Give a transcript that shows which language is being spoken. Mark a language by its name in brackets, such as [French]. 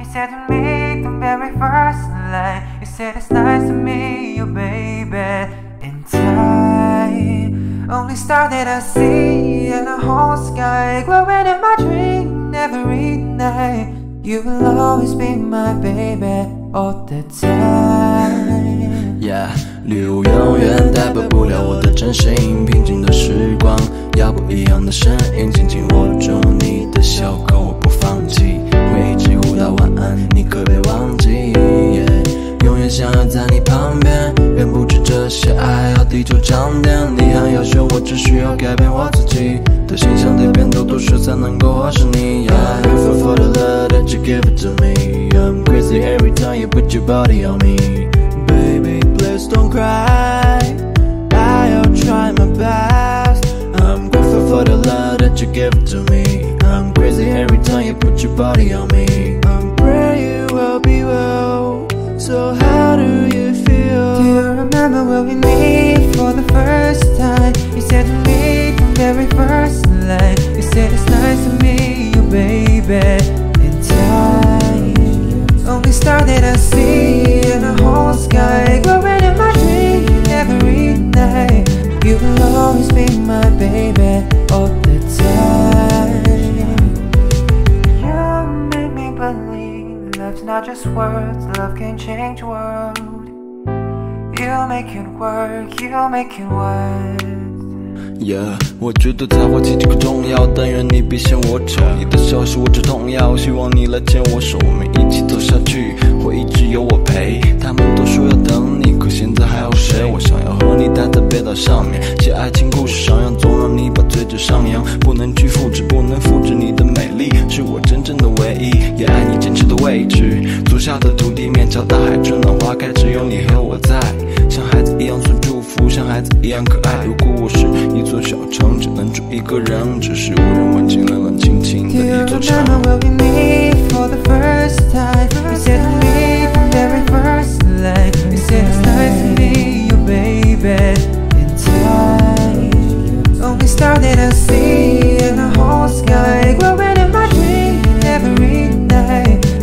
[English] You said to me the very first line. You said it's nice to meet you, baby. In time, only star that I see in a whole sky glowing in my dream every night. You will always be my baby all the time. [Chinese] Yeah, 礼物永远代表不了我的真心，平静的时光要不一样的声音，紧紧握住你的袖口我不放弃，会一直互道晚安你可别忘记、yeah、永远想要在你旁边，远不止这些爱要地久长天，你很优秀我只需要改变我自己，的形象得变得多帅才能够合适你。 [English] I'm grateful for the love that you give to me. I'm crazy every time you put your body on me. Baby please don't cry, I'll try my best. I'm grateful for the love that you give to me. I'm crazy every time you put your body on me. I'm praying you will be well, so how do you feel? Do you remember when we meet for the first time? You said to me the very first line. You said it's nice to meet you, baby. In time, only star that I see in the whole sky glowing in my dream every night. You will always be my baby all the time. You make me believe love's not just words, love can change world. You make it work, you make it work. [Chinese] Yeah, 我觉得才华奇迹可重要，但愿你别嫌我丑，你的笑是我止痛药，希望你来牵我手，我们一起走下去会一直有我陪。他们都说要等你，可现在还有谁？我想要和你待在北岛上面，写爱情故事上扬，总让你把嘴角上扬，不能去复制，不能复制你的美丽，是我真正的唯一，也爱你坚持的位置，足下的土地面朝大海，春暖花开，只有你和我在，像孩子一样送祝福，像孩子一样可爱。如果我是一座小城，只能住一个人，只是无人问津，冷冷清清的一座城。 [English] Do you remember when we meet for the first time? You said to me the very first line. You said it's nice to meet you, baby. In time, only star that I see in the whole sky glowing in my dream every night.